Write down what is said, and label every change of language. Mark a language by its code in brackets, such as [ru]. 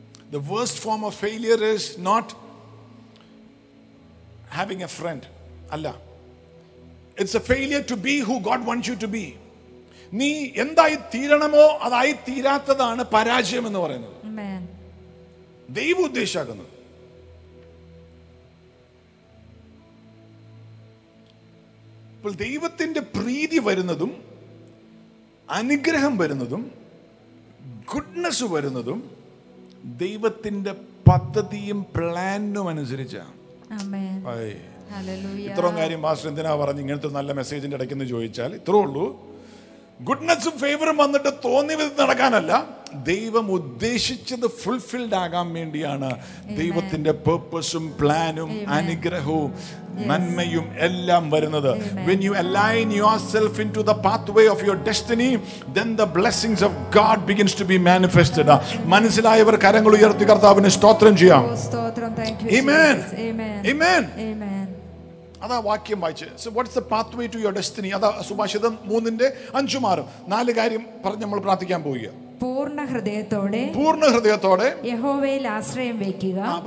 [en] The worst form of failure is not having a friend. Allah. It's a failure to be who God wants you to be. [ml] നീ എന്തായി തീരണമോ അതായി തീരാത്തതാണ് പരാജയം എന്ന് പറയുന്നത്. ദൈവം ഉദ്ദേശിക്കുന്നത് ഇപ്പോൾ ദൈവത്തിന്റെ പ്രീതി വരുന്നതും അനുഗ്രഹം വരുന്നതും ഗുഡ്നെസ് വരുന്നതും ദൈവത്തിന്റെ പദ്ധതിയും പ്ലാനും അനുസരിച്ചാണ്. ഇത്രയും കാര്യം പാസ്റ്റർ എന്തിനാ പറഞ്ഞു ഇങ്ങനത്തെ നല്ല മെസ്സേജിന്റെ ഇടയ്ക്ക് എന്ന് ചോദിച്ചാൽ ഇത്രേ ഉള്ളൂ. ഗുഡ്നെസ്സും ഫേവറും വന്നിട്ട് തോന്നി വിധം നടക്കാനല്ല, ദൈവം ഉദ്ദേശിച്ചത് ഫുൾഫിൽഡ് ആകാൻ വേണ്ടിയാണ്. ദൈവത്തിന്റെ പേർപ്പസും പ്ലാനും അനുഗ്രഹവും നന്മയും എല്ലാം വരുന്നത്. [en] When you align yourself into the pathway of your destiny, then the blessings of God begins to be manifested. [ml] മനസ്സിലായവർ കരങ്ങൾ ഉയർത്തി കർത്താവിനെ സ്തോത്രം ചെയ്യാം. [en] Amen. Amen. [ml] അതാ വാക്യം വായിച്ച്. [en] So what's the pathway to your destiny? [ml] അതാ സുഭാഷിതം 3:5-6 നാല് കാര്യം പറഞ്ഞ് നമ്മൾ പ്രാർത്ഥിക്കാൻ പോവുക. പൂർണ്ണ ഹൃദയത്തോടെ യഹോവയിൽ ആശ്രയം വെക്കുക.